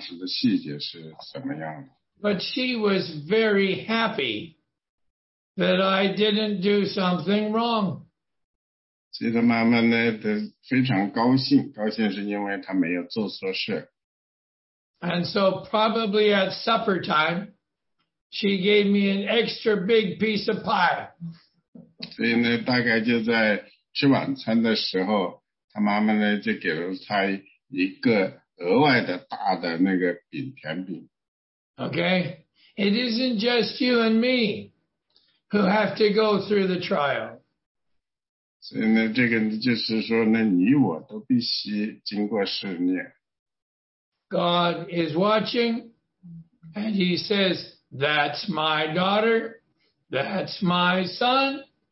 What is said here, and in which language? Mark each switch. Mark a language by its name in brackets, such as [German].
[Chinese] 所以他妈妈后来告诉他呢，他在那个当时的环境下表现很好。他现在他不记得当时的细节是什么样的。 [English] But she was very happy that I didn't do something wrong. [Chinese] 所以他妈妈呢，她非常高兴，高兴是因为她没有做错事。 [English] And so probably at supper time, she gave me an extra big piece of pie. [Chinese] 所以呢，大概就在吃晚餐的时候，她妈妈呢就给了她一个额外的大的那个饼甜饼。 [English] Okay, it isn't just you and me who have to go through the trial. [Chinese] 所以呢，这个就是说呢，你我都必须经过试炼。 [English] God is watching, and He says, "That's my daughter, that's my son."